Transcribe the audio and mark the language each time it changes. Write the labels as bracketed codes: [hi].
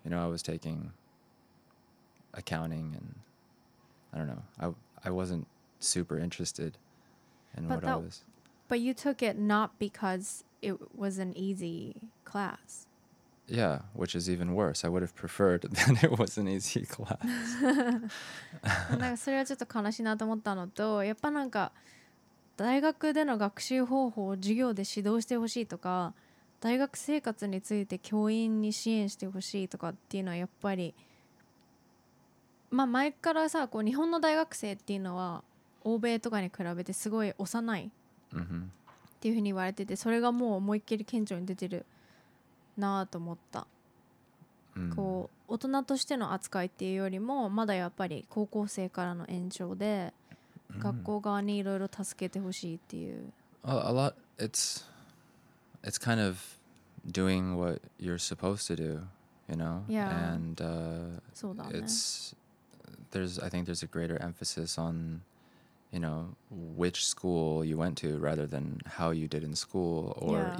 [en] You know, I was taking accounting and I don't know. I wasn't super interested in but what that, I was. But you took it not because it was an easy class. Yeah, which is even worse. I would have preferred that it was an easy class. [ja] なんかそれはちょっと悲しいなと思ったのと、やっぱなんか大学での学習方法を授業で指導してほしいとか、大学生活について教員に支援してほしいとかっていうのはやっぱり、まあ前からさ、こう日本の大学生っていうのは欧米とかに比べてすごい幼いっていうふうに言われてて、それがもう思いっきり顕著に出てるなと思った。こう大人としての扱いっていうよりも、まだやっぱり高校生からの延長で。学校側にいろいろ助けてほしいっていう。 [en] A lot. It's kind of doing what you're supposed to do, you know. Yeah. And [ja] そうだね。 [en] I think there's a greater emphasis on, you know, which school you went to rather than how you did in school, or yeah.